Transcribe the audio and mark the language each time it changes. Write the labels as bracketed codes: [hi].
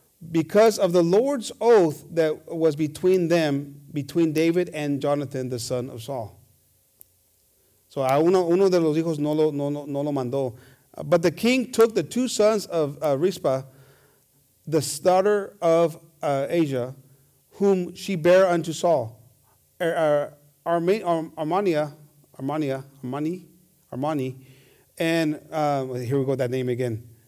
[en] Because of the Lord's oath that was between them, between David and Jonathan, the son of Saul. [es] So a uno de los hijos no lo mandó. [en] But the king took the 2 sons of Rizpah, the daughter of Asia, whom she bare unto Saul, Armani, and here we go, that name again,